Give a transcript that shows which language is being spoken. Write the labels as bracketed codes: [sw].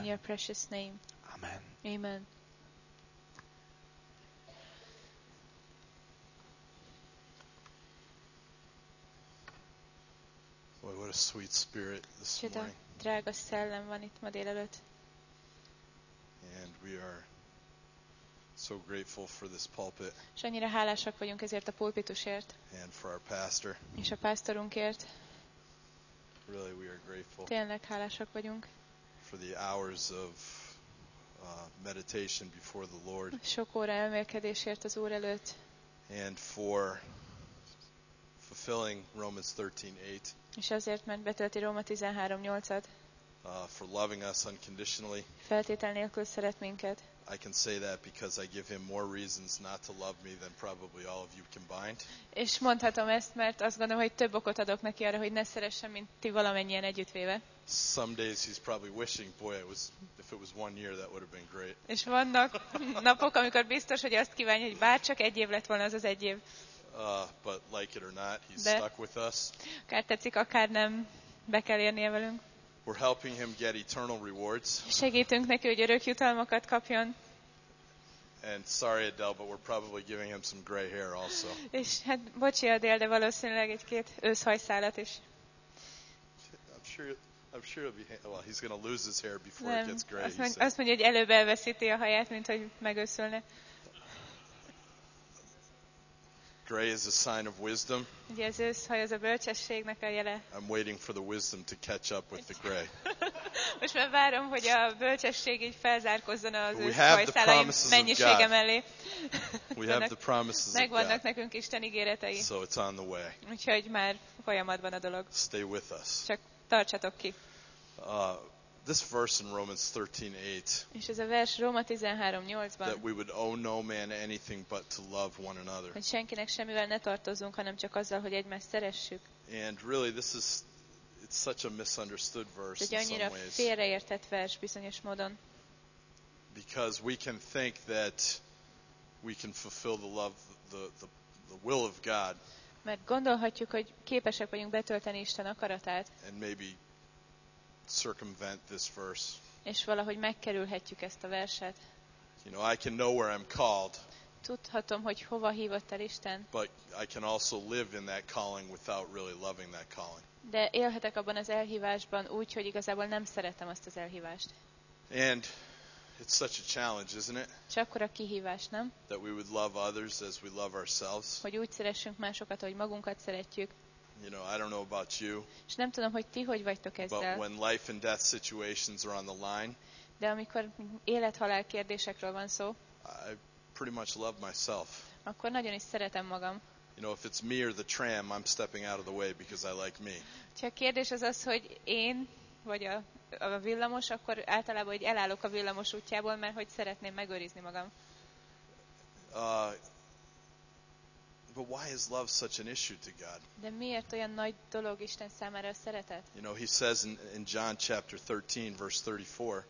[en] in your precious name. Amen. Amen. sweet spirit this [hu] Csoda, [en] morning. [hu] Drága szellem van itt ma délelőtt. [en] And we are so grateful for this pulpit. [hu] És annyira hálásak vagyunk ezért a pulpitusért. [en] And for our pastor. [hu] És a pásztorunkért. [en] Really, we are grateful. [hu] Tényleg hálásak vagyunk. [en] For the hours of meditation before the Lord. [hu] Sok óra elmélkedésért az Úr előtt. [en] And for fulfilling Romans 13:8. [hu] És azért, mert betölti Róma 13:8-at. [en] For loving us unconditionally. [hu] Feltétel nélkül szeret minket. [en] I can say that because I give him more reasons not to love me than probably all of you combined. [hu] És mondhatom ezt, mert azt gondolom, hogy több okot adok neki arra, hogy ne szeressem, mint ti valamennyien együttvéve. [en] Some days he's probably wishing, boy, if it was 1 year, that would have been great. [hu] És vannak napok, amikor biztos, hogy azt kívánja, hogy bárcsak egy év lett volna az egy év. [en] But like it or not, he's stuck with us. [hu] Akár tetszik, akár nem, be kell érnie velünk. [en] We're helping him get eternal rewards. [hu] Segítünk neki, hogy örök jutalmakat kapjon. [en] And sorry, Adele, but we're probably giving him some gray hair also. [hu] És hát, bocsi, Adele, de valószínűleg egy-két őszhajszálat is. [en] I'm sure he's going to lose his hair before it gets gray. [hu] Azt mondja, hogy előbb elveszíti a haját, mint hogy megőszülne. [en] Gray is a sign of wisdom. [hu] Jézus, hogy ez a bölcsességnek a jele. [en] I'm waiting for the wisdom to catch up with the gray. [hu] Most már várom, hogy a bölcsesség így felzárkozzon az őszhajszálaim mennyisége mellé. [en] We have the promises of God. [hu] Megvannak nekünk Isten ígéretei. [en] So it's on the way. [hu] Úgyhogy már folyamatban a dolog. [en] Stay with us. [hu] Csak tartsatok ki. [en] This verse in Romans 13:8. [hu] És ez a vers Róma 13:8-ban. [en] That we would owe no man anything but to love one another. [hu] Hogy senkinek semmivel ne tartozunk, hanem csak azzal, hogy egymást szeressük. [en] And really, it's such a misunderstood verse. [hu] De annyira félreértett vers bizonyos módon. [en] Because we can think that we can fulfill the love, the will of God. [hu] Mert gondolhatjuk, hogy képesek vagyunk betölteni Isten akaratát. [en] And maybe circumvent this verse. [hu] És valahogy megkerülhetjük ezt a verset. [en] You know, I can know where I'm called. [hu] Tudhatom, hogy hova hívott el Isten. [en] But I can also live in that calling without really loving that calling. [hu] De élhetek abban az elhívásban úgy, hogy igazából nem szeretem azt az elhívást. [en] And it's such a challenge, isn't it? [hu] És akkor a kihívás, nem? [en] That we would love others as we love ourselves. [hu] Hogy úgy szeressünk másokat, ahogy magunkat szeretjük. [en] You know, I don't know about you. [hu] És nem tudom, hogy ti hogy vagytok ezzel. [en] But when life and death situations are on the line. [hu] De amikor élet-halál kérdésekről van szó. [en] I pretty much love myself. [hu] Akkor nagyon is szeretem magam. [en] You know, if it's me or the tram, I'm stepping out of the way because I like me. [hu] Ha a kérdés az, hogy én vagy a villamos, akkor általában hogy elállok a villamos útjából, mert hogy szeretném megőrizni magam. [en] But why is love such an issue to God? [hu] De miért olyan nagy dolog Isten számára a szeretet? [en] You know, he says in John chapter 13 verse 34.